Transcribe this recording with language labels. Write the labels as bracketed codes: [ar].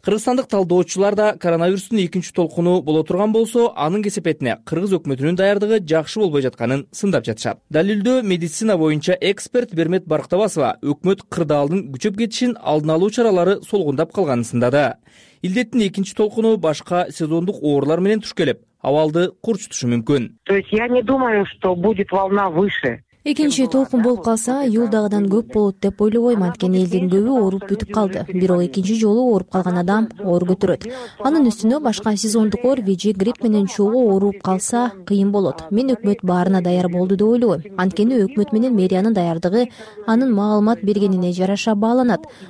[ky] Кыргызстандык талдоочулар да коронавирустун экинчи толкуну боло турган болсо, анын кесепетине кыргыз өкмөтүнүн даярдыгы жакшы болбой жатканын сындап жатышат. Далилдөө медицина боюнча эксперт Бермет Барктабасова өкмөт кырдаалдын күчөп кетишин алдын алуу чаралары солгундап калганын сындады. Илдеттин экинчи толкуну башка сезондук оорулар менен туш келип, абалды курчутушу мүмкүн. [ru] То есть я не думаю, что будет волна выше. [ky] Экинчи толкун болуп калса, июлдагыдан көп болот деп ойлобойм, анткени элдин көбү ооруп бүтүп калды. Бирок экинчи жолу ооруп калган адам оор көтөрөт. Анын үстүнө башка сезондук ОРВИ, грипп менен чогуу ооруп калса кыйын болот. Мен өкмөт баарына даяр болду деп ойлойм. Анткени өкмөт менен мэриянын даярдыгы анын маалымат бергенине жараша бааланат.